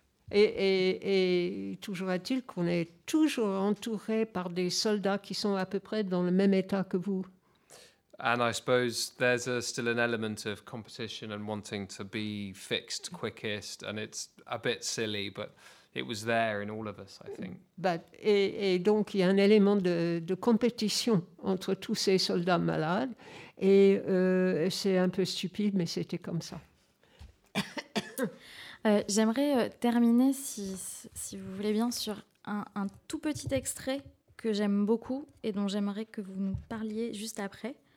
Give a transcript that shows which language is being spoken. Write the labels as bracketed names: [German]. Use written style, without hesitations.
[French] Et toujours est-il qu'on est toujours entouré par des soldats qui sont à peu près dans le même état que vous. [English] And I suppose there's still an element of competition and wanting to be fixed quickest, and it's a bit silly, but it was there in all of us, I think. [French] Et donc il y a un élément de compétition entre tous ces soldats malades, et c'est un peu stupide, mais c'était comme ça. J'aimerais terminer, si vous voulez bien, sur un tout petit extrait que j'aime beaucoup et dont j'aimerais que vous nous parliez juste après.